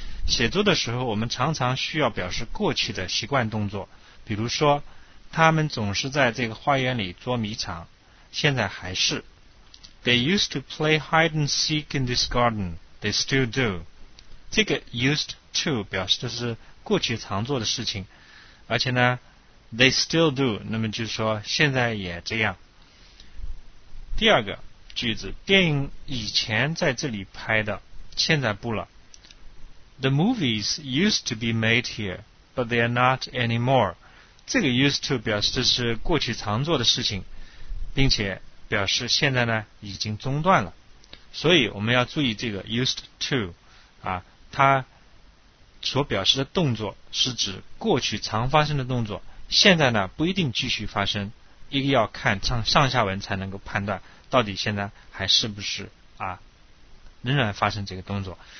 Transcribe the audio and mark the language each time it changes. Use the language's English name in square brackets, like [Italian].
[Chinese] 写作的时候我们常常需要表示过去的习惯动作，比如说他们总是在这个花园里捉迷藏，现在还是。 [English] They used to play hide and seek in this garden. They still do. [Chinese] 这个 used to 表示的是过去常做的事情，而且呢 [English] they still do， [Chinese] 那么就是说现在也这样。第二个句子，电影以前在这里拍的，现在不了。 [English] The movies used to be made here but they are not anymore。 [Chinese] 这个 used to 表示的是过去常做的事情，并且表示现在呢已经中断了，所以我们要注意这个 used to 啊，它所表示的动作是指过去常发生的动作，现在呢不一定继续发生，一个要看上下文才能够判断到底现在还是不是啊仍然发生这个动作。